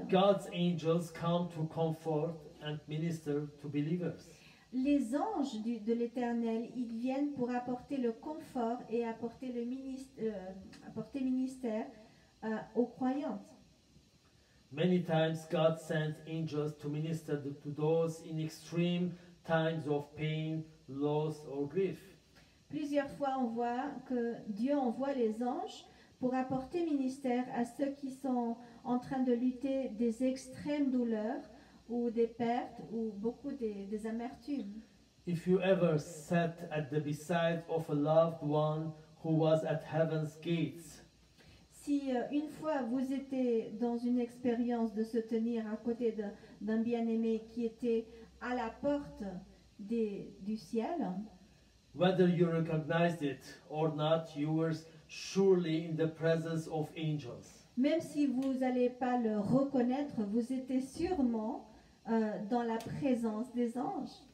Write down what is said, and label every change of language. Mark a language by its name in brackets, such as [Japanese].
[English] God's angels come to comfort and minister to believers. [French] Les anges de l'Éternel, ils viennent pour apporter le confort et apporter le ministère aux croyantes. [English] Many times God sent angels to minister to those in extreme times of pain, loss or grief. [French] Plusieurs fois on voit que Dieu envoie les anges pour apporter ministère à ceux qui sont en train de lutter des extrêmes douleurs ou des pertes ou beaucoup des amertumes. [English] If you ever sat at the beside of a loved one who was at heaven's gates. [French] Si une fois vous étiez dans une expérience de se tenir à côté d'un bien-aimé qui était à la porte du ciel. [English] Whether you recognized it or not, you were surely in the presence of angels. [French] Même si vous n'allez pas le reconnaître, vous étiez sûrement dans la présence des anges.